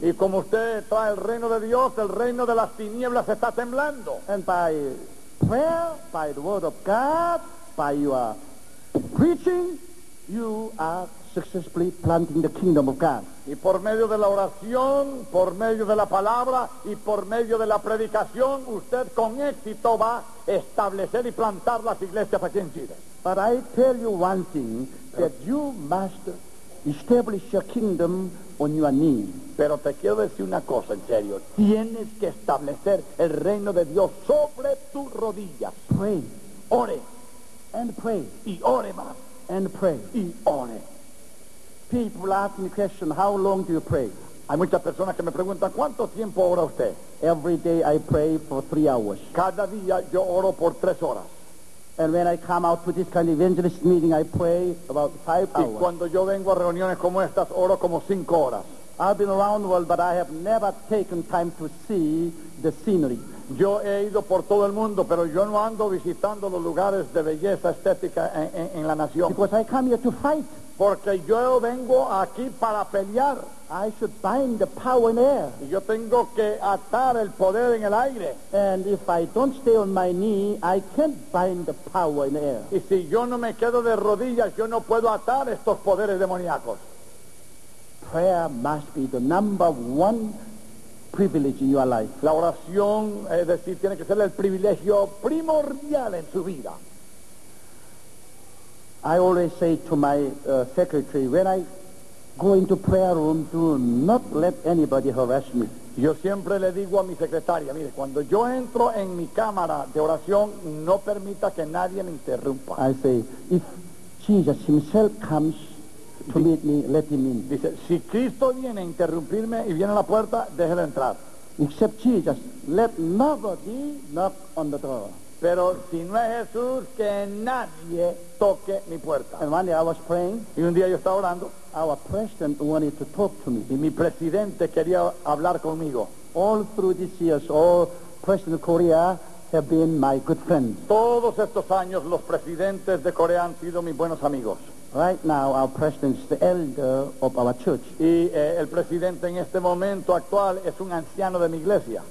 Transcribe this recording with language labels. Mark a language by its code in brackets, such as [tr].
[es] Y como usted trae el reino de Dios, el reino de las tinieblas está temblando. [en] And by prayer, by the word of God, by your preaching, you are successfully planting the kingdom of God. [es] Y por medio de la oración, por medio de la palabra y por medio de la predicación, usted con éxito va a establecer y plantar las iglesias aquí en Chile. [en] But I tell you one thing, that you must establish your kingdom on your knees. [es] Pero te quiero decir una cosa en serio. Tienes que establecer el reino de Dios sobre tus rodillas. [en] Pray. [es] Ore. [en] And pray. [es] Y ore más. [en] And pray. [es] Y ore. [en] People ask me question, how long do you pray? [es] Hay muchas personas que me preguntan, ¿cuánto tiempo ora usted? [en] Every day I pray for 3 hours. [es] Cada día yo oro por 3 horas. [en] And when I come out to this kind of evangelist meeting, I pray about 5 hours. [es] Y cuando yo vengo a reuniones como estas, oro como 5 horas. [en] I've been around the world, but I have never taken time to see the scenery. [es] Yo he ido por todo el mundo, pero yo no ando visitando los lugares de belleza estética en la nación. [en] Because I come here to fight. [es] Porque yo vengo aquí para pelear. [en] I should bind the power in air. [es] Y yo tengo que atar el poder en el aire. [en] And if I don't stay on my knee, I can't bind the power in air. [es] Y si yo no me quedo de rodillas, yo no puedo atar estos poderes demoníacos. [en] Prayer must be the number one privilege in your life. [es] La oración, es decir, tiene que ser el privilegio primordial en su vida. [en] I always say to my secretary, when I go into prayer room, do not let anybody harass me. [es] Yo siempre le digo a mi secretaria, mire, cuando yo entro en mi cámara de oración, no permita que nadie me interrumpa. [en] I say, if Jesus himself comes to meet me, let him in. [es] Dice, si Cristo viene a interrumpirme y viene a la puerta, déjelo entrar. [en] Except Jesus, let nobody knock on the door. [es] Pero si no es Jesús, que nadie toque mi puerta. [en] And one day I was praying. [es] Y un día yo estaba orando. [en] Our president wanted to talk to me. [es] Y mi presidente quería hablar conmigo. [en] All through these years, all President of Korea have been my good friends. [es] Todos estos años, los presidentes de Corea han sido mis buenos amigos. [en] Right now, our president is the elder of our church. [es] Y el presidente en este momento actual es un anciano de mi iglesia.